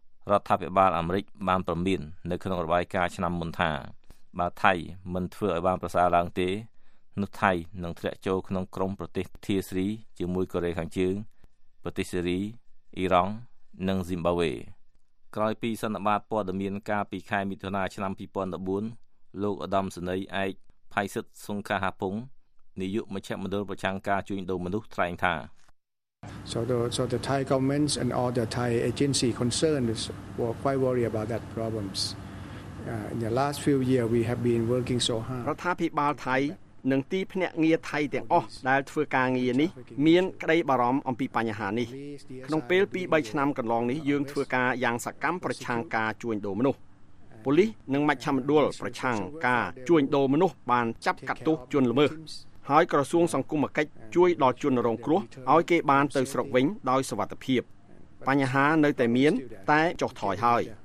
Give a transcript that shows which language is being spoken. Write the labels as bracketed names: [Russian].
[Khmer] រដ្ឋាភិបាលអាមេរិកបានព្រមាននៅក្នុងរបាយការណ៍ឆ្នាំមុនថាបើថៃមិនធ្វើឲ្យបានប្រសើរឡើងទេនោះថៃនឹងធ្លាក់ចូលក្នុងក្រុមប្រទេសធៀស្រីជាមួយកូរ៉េខាងជើងប្រទេសសេរីអ៊ីរ៉ង់និងស៊ីមបាវេក្រោយពីសន្និបាតព័ត៌មានកាលពីខែមិថុនាឆ្នាំ2014លោកអដាមសនីឯកផៃសិតសុងខាហាពុងនាយកមជ្ឈមណ្ឌលប្រឆាំងការជួញដូរមនុស្សថ្លែងថា [English] So the Thai governments and all the Thai agency concerned were quite worried about that problems. In the last few years, we have been working so hard. [Khmer] រដ្ឋាភិបាលថៃនិងទីភ្នាក់ងារថៃទាំងអស់ដែលធ្វើការងារនេះមានក្តីបារម្ភអំពីបញ្ហានេះ។ក្នុងពេល 2-3 ឆ្នាំកន្លងនេះយើងធ្វើការយ៉ាងសកម្មប្រឆាំងការជួញដូរមនុស្ស។ប៉ូលីសនិងមជ្ឈមណ្ឌលប្រឆាំងការជួញដូរមនុស្សបានចាប់កាត់ទោសជនល្មើស។ហើយក្រសួងសង្គមការិច្ចជួយដល់ជនរងគ្រោះឲ្យគេបានទៅស្រុកវិញដោយសុវត្ថិភាពបញ្ហានៅតែមានតែចុះថយហើយ